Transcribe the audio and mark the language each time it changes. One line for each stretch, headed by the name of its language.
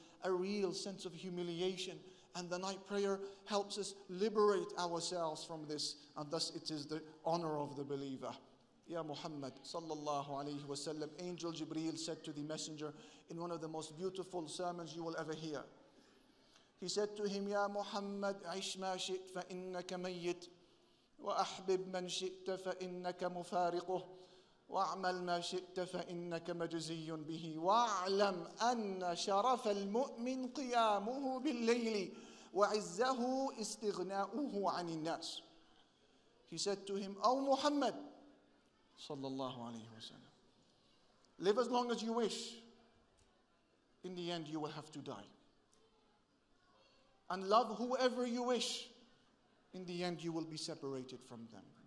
English: A real sense of humiliation. And the night prayer helps us liberate ourselves from this. And thus it is the honor of the believer. Ya Muhammad sallallahu alayhi wa sallam, Angel Jibreel said to the messenger in one of the most beautiful sermons you will ever hear. He said to him, Ya Muhammad,
Arabic: عش ما شئت فإنك ميت وأحبب من شئت فإنك مفارقه وَأَعْمَلْ مَا شِئْتَ فَإِنَّكَ مَجْزِيٌّ بِهِ وَأَعْلَمْ أَنَّ شَرَفَ الْمُؤْمِنِ قِيَامُهُ بِاللَّيْلِ وَعِزَّهُ إِسْتِغْنَاؤُهُ عَنِ النَّاسِ.
English: He said to him, O Muhammad, sallallahu alayhi wa sallam, live as long as you wish. In the end, you will have to die. And love whoever you wish. In the end, you will be separated from them.